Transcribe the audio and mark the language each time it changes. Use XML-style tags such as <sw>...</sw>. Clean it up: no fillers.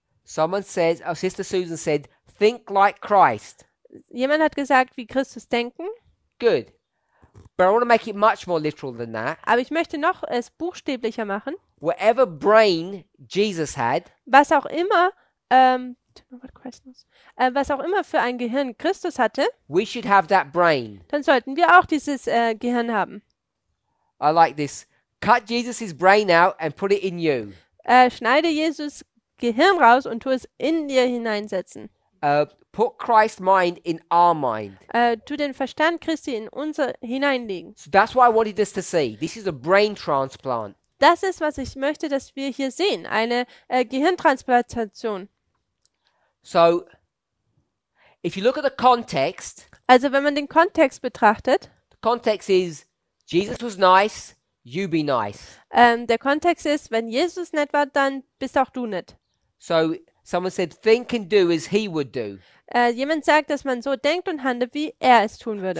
<en>Someone says, our sister Susan said, think like Christ.</en> <de>Jemand hat gesagt, wie Christus denken.</de> <en>Good. But I want to make it much more literal than that.</en> <de>Aber ich möchte noch es buchstäblicher machen.</de> <en>Whatever brain Jesus had.</en> <de>Was auch immer, was auch immer für ein Gehirn Christus hatte.</de> <en>We should have that brain.</en> <de>Dann sollten wir auch dieses Gehirn haben.</de> <en>I like this. Cut Jesus' brain out and put it in you.</en> <de>Schneide Jesus Gehirn raus und tu es in dir hineinsetzen.</de> <en>Put Christ's mind in our mind.</en> <de>Tu den Verstand Christi in unser hineinlegen.</de> <en>So that's what I wanted us to see. This is a brain transplant.</en> <de>Das ist, was ich möchte, dass wir hier sehen. Eine Gehirntransplantation.</de> <en>So, if you look at the context.</en> <de>Also, wenn man den Kontext betrachtet.</de> <en>The context is, Jesus was nice. You be nice.</en> <de>Der Kontext ist, wenn Jesus nett war, dann bist auch du nett.</de> <en>So, someone said, think and do as he would do.</en> <de>Jemand sagt, dass man so denkt und handelt, wie er es tun würde.</de>